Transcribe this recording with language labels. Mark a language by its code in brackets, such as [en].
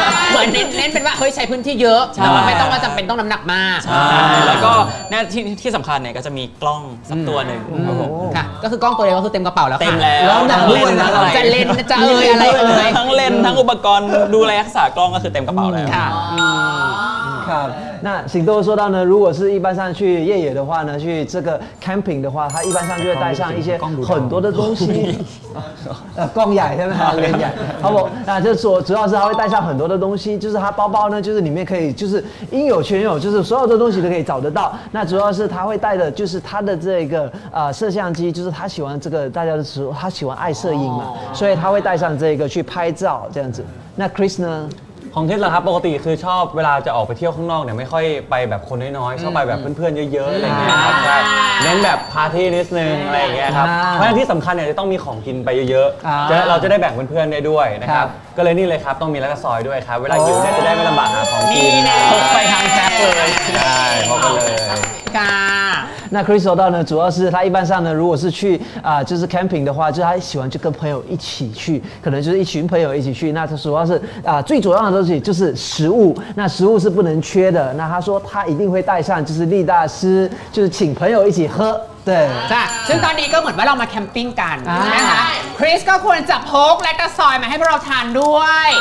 [th] เหมือนเน้นเป็นว่าเฮ้ยใช้พื้นที่เยอะแต่ไม่ต้องมาจำเป็นต้องน้ำหนักมาก แล้วก็ที่สำคัญเนี่ยก็จะมีกล้องสักตัวหนึ่ง ค่ะก็คือกล้องตัวเดียวก็คือเต็มกระเป๋าแล้ว เต็มแล้ว แล้วหนักด้วยนะ จะเล่นจะเอ่ยอะไรเอ่ย ทั้งเลนทั้งอุปกรณ์ดูแลรักษากล้องก็คือเต็มกระเป๋าแล้ว ค่ะ [zh] ครับ那行动说到呢，如果是一般上去越野的话呢，去这个 camping 的话，他一般上就会带上一些很多的东西，逛野是吗？逛野，好不？那就主要是他会带上很多的东西，就是他包包呢，就是里面可以就是应有全有，就是所有的东西都可以找得到。那主要是他会带的就是他的这个摄像机，就是他喜欢这个，大家都说他喜欢爱摄影嘛，所以他会带上这个去拍照这样子。那 Chris 呢？ [th] ของคริสเหรอครับปกติคือชอบเวลาจะออกไปเที่ยวข้างนอกเนี่ยไม่ค่อยไปแบบคนน้อยๆชอบไปแบบเพื่อนๆเยอะๆอะไรเงี้ยครับใช่เน้นแบบพาร์ตี้นิดนึงอะไรเงี้ยครับเพราะฉะนั้นที่สำคัญเนี่ยจะต้องมีของกินไปเยอะๆจะเราจะได้แบ่งเพื่อนๆได้ด้วยนะครับก็เลยนี่เลยครับต้องมีแล้วก็ซอยด้วยครับเวลาอยู่เนี่ยจะได้ไม่ลำบากหาของกิน นี่ นะ ไปทางแท็บเลย ใช่พบกันเลย ค่ะ [zh] 那 Chris 说到呢，主要是他一般上呢，如果是去就是 camping 的话，就他喜欢就跟朋友一起去，可能就是一群朋友一起去。那他主要是最主要的东西就是食物，那食物是不能缺的。那他说他一定会带上，就是力大师，就是请朋友一起喝。对， [th] ซึ่งตอนนี้ก็เหมือนว่าเรามา camping กันนะคะ Chris ก็ควรจะพกและกระซอยมาให้พวกเราทานด้วย